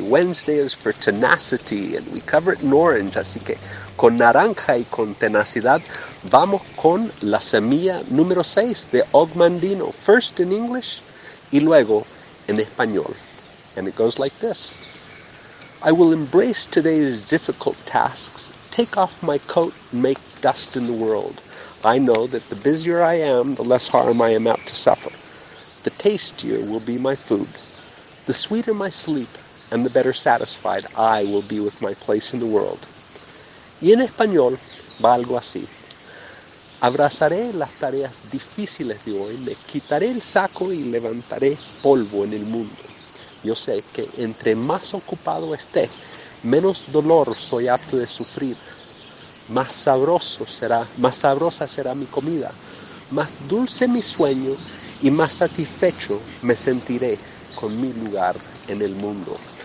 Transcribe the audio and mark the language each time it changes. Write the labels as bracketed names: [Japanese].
[English] Wednesday is for tenacity, and we cover it in orange. [Spanish] Así que con naranja y con tenacidad, vamos con la semilla número 6 de Ogmandino. [English] First in English [Spanish] y luego en español. [English] And it goes like this. I will embrace today's difficult tasks. Take off my coat and make dust in the world. I know that the busier I am, the less harm I am apt to suffer. The tastier will be my food. The sweeter my sleep, and the better satisfied I will be with my place in the world. [Spanish] Y en español va algo así. Abrazaré las tareas difíciles de hoy, me quitaré el saco y levantaré polvo en el mundo. Yo sé que entre más ocupado esté, menos dolor soy apto de sufrir. Más sabrosa será mi comida, más dulce mi sueño y más satisfecho me sentiré con mi lugar en el mundo.